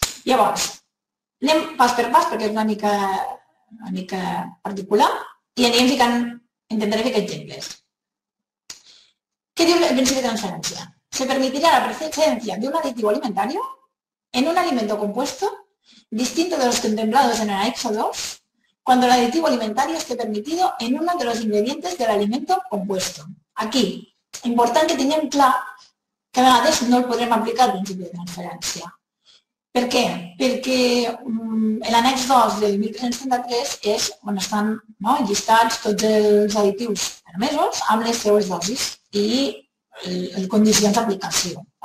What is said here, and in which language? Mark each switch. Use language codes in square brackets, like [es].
[ca] Llavors, anem pas per pas perquè és una mica particular i anirem ficant, intentaré fer exemples. Què diu el principi de transferència? Se permitirà la presència d'un additiu alimentari [es] en un alimento compuesto distinto de los contemplados en el anexo 2 cuando el additivo alimentario esté permitido en uno de los ingredientes del alimento compuesto. [ca] Aquí, important que tinguem clar que a vegades no el podrem aplicar el principi de transferència. Per què? Perquè l'anex 2 del 1333 és on estan, no, llistats tots els additius permesos amb les seues dosis i les condicions d'aplicació.